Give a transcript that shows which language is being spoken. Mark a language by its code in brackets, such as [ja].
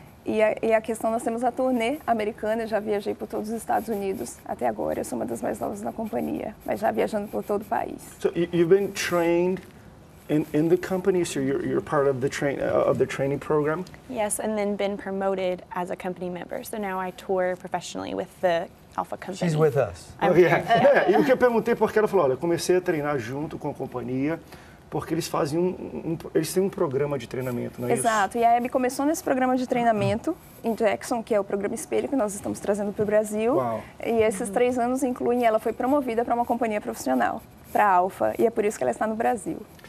[pt] E a questão, nós temos a turnê americana, eu já viajei por todos os Estados Unidos até agora. Eu sou uma das mais novas na companhia, mas já viajando por todo o país. [en] So you've been trained in the company, so you're part of the training program? Yes, and then been promoted as a company member. So now I tour professionally with the Alpha Company. She's with us. [pt] E o que eu perguntei porque ela falou, olha, comecei a treinar junto com a companhia. Porque eles fazem eles têm um programa de treinamento, não é Exato. Exato. E a Abby começou nesse programa de treinamento em Jackson, que é o programa espelho que nós estamos trazendo para o Brasil. Uau. E esses 3 anos incluem, ela foi promovida para uma companhia profissional, para a Alpha, e é por isso que ela está no Brasil.